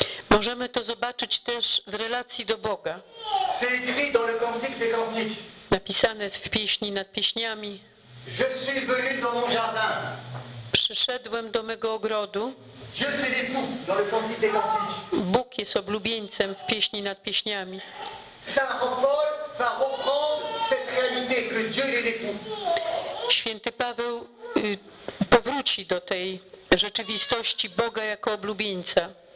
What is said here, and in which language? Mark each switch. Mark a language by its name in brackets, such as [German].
[Polish] Możemy to zobaczyć też w relacji do Boga. [French] C'est écrit dans le Cantique des Cantiques. [Polish] Napisane jest w Pieśni nad Pieśniami. [French] Je suis venu dans mon jardin. [Polish] Przyszedłem do mego ogrodu. [French] Dieu c'est l'époux dans le Cantique des Cantiques. [Polish] Bóg jest oblubieńcem w Pieśni nad Pieśniami. [French] Saint Paul va reprendre cette réalité que Dieu est l'époux. [Polish] Święty Paweł powróci do tej rzeczywistości Boga jako oblubieńca.